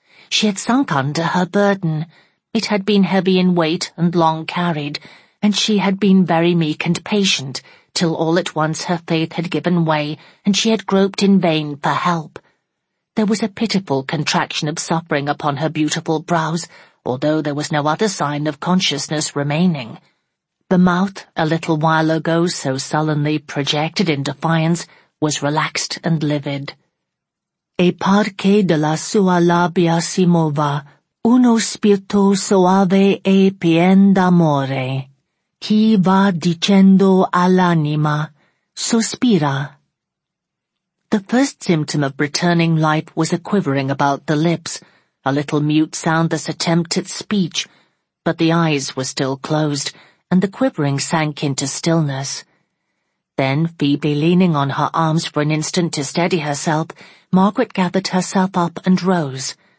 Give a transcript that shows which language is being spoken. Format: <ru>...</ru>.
<en>She had sunk under her burden. It had been heavy in weight and long carried, and she had been very meek and patient, till all at once her faith had given way, and she had groped in vain for help. There was a pitiful contraction of suffering upon her beautiful brows, although there was no other sign of consciousness remaining. The mouth, a little while ago so sullenly projected in defiance, was relaxed and livid.</en> <it>E parche della sua labia si mova, uno spirito soave e pien d'amore, chi va dicendo all'anima, sospira.</it> <en>The first symptom of returning life was a quivering about the lips, a little mute soundless attempt at speech, but the eyes were still closed, and the quivering sank into stillness. Then, feebly leaning on her arms for an instant to steady herself, Margaret gathered herself up and rose.</en>